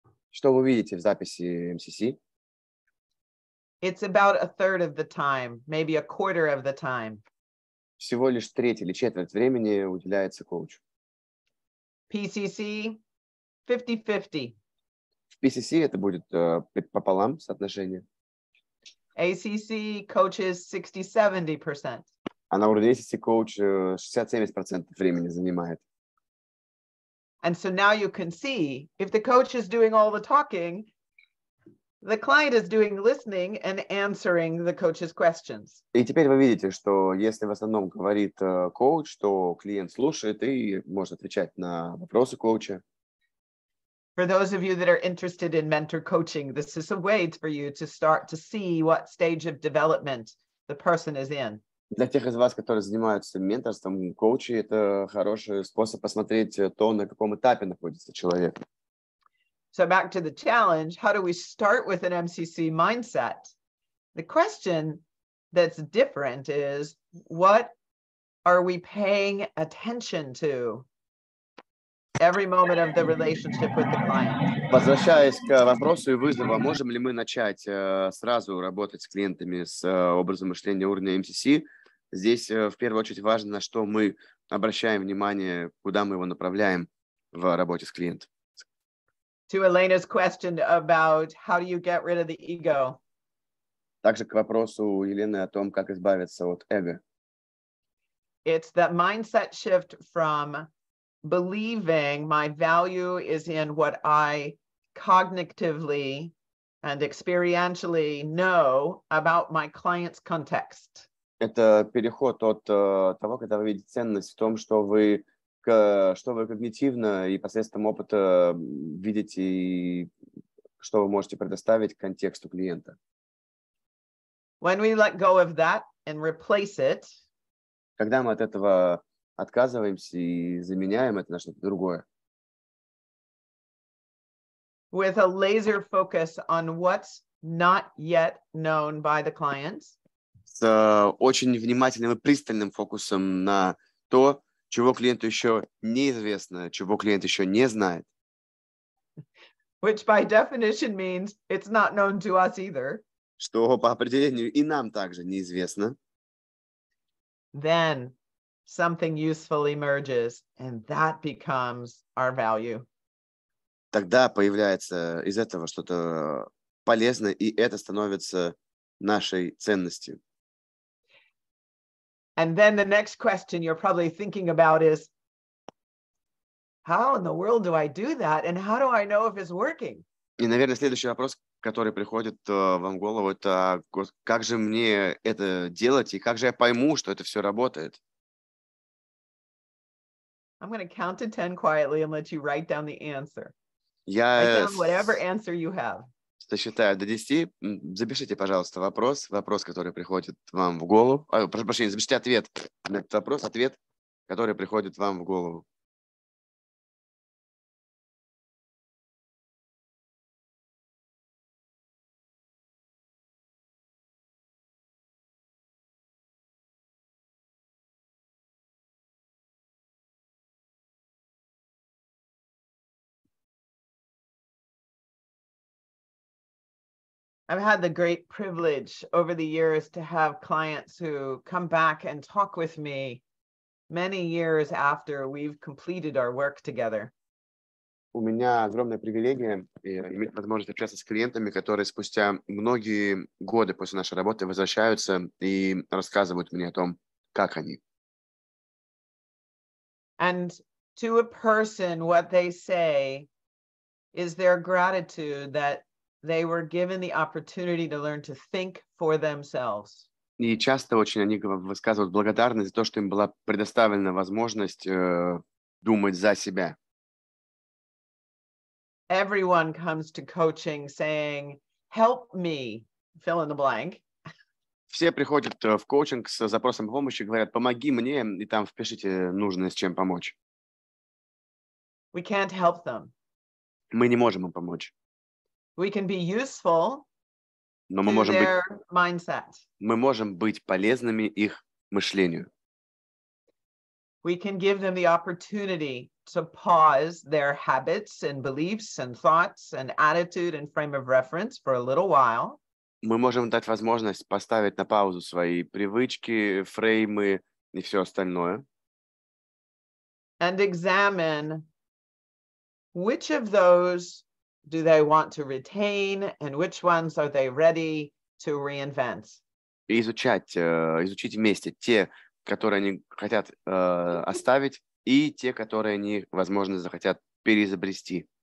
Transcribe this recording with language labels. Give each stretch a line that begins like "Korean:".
Russian: Что вы видите в записи MCC?
English: It's about a third of the time, maybe a quarter of the time.
Russian: Всего лишь треть или четверть времени уделяется коучу.
English: PCC, 50-50.
Russian: В PCC это будет пополам соотношение.
English: ACC coaches 60-70%.
Russian: А на уровне ACC коуч 60-70% времени занимает.
English: And so now you can see, if the coach is doing all the talking, the client is doing listening and answering the coach's questions.
Russian: И теперь вы видите, что если в основном говорит коуч, то клиент слушает и может отвечать на вопросы коуча.
English: For those of you that are interested in mentor coaching, this is a way for you to start to see what stage of development the person is in.
Russian: Для тех из вас, которые занимаются менторством, коучи, это хороший способ посмотреть то, на каком этапе находится человек.
English: So back to the challenge, how do we start with an MCC mindset? The question that's different is, what are we paying attention to every moment of the relationship with the client?
Russian: Возвращаясь к вопросу и вызову, можем ли мы начать сразу работать с клиентами с образом мышления уровня MCC? Здесь в первую очередь важно, на что мы обращаем внимание, куда мы его направляем в работе с клиентом.
English: To Elena's question about how do you get rid of the ego.
Russian: Также к вопросу Елены о том, как избавиться от эго.
English: It's that mindset shift from believing my value is in what I cognitively and experientially know about my client's context.
Russian: Это переход от того, когда вы видите ценность в том, что вы что вы когнитивно и посредством опыта видите, и что вы можете предоставить контексту клиента.
English: When we let go of that and replace it,
Russian: когда мы от этого отказываемся и заменяем это на что-то другое,
English: with a laser focus on what's not yet known by the clients,
Russian: с очень внимательным и пристальным фокусом на то, чего клиенту еще неизвестно, чего клиент еще не знает.
English: Which by definition means it's not known to us either.
Russian: Что по определению и нам также неизвестно.
English: Then something useful emerges, and that becomes our value.
Russian: Тогда появляется из этого что-то полезное, и это становится нашей ценностью.
English: And then the next question you're probably thinking about is, how in the world do I do that? And how do I know if it's working?
Russian: И, наверное, следующий вопрос, который приходит вам в голову, это как же мне это делать? И как же я пойму, что это все работает?
English: I'm going to count to 10 quietly and let you write down the answer.
Russian: Я
English: write down whatever answer you have.
Russian: Сосчитаю до 10. Запишите, пожалуйста, вопрос, который приходит вам в голову. Прошу прощения, запишите ответ на этот вопрос, ответ, который приходит вам в голову.
English: I've had the great privilege over the years to have clients who come back and talk with me many years after we've completed our work together.
Russian: У меня огромная привилегия иметь возможность общаться с клиентами, которые спустя многие годы после нашей работы возвращаются и рассказывают мне о том, как они.
English: And to a person, what they say is their gratitude that They were given the opportunity to learn to think for themselves.
Russian: И часто очень они высказывают благодарность за то, что им была предоставлена возможность думать за себя.
English: Everyone comes to coaching saying, "Help me fill in the blank."
Russian: Все приходят в коучинг с запросом помощи, говорят, помоги мне, и там впишите нужное, с чем помочь.
English: We can't help them.
Russian: Мы не можем им помочь.
English: We can be useful.
Russian: Но мы можем
English: their
Russian: быть,
English: mindset.
Russian: Мы можем быть полезными их мышлению.
English: We can give them the opportunity to pause their habits and beliefs and thoughts and attitude and frame of reference for a little while.
Russian: Мы можем дать возможность поставить на паузу свои привычки, фреймы и все остальное.
English: And examine which of those do they want to retain and which ones are they ready to reinvent.
Russian: И изучить вместе те, которые они хотят оставить, и те, которые они, возможно, захотят переизобрести.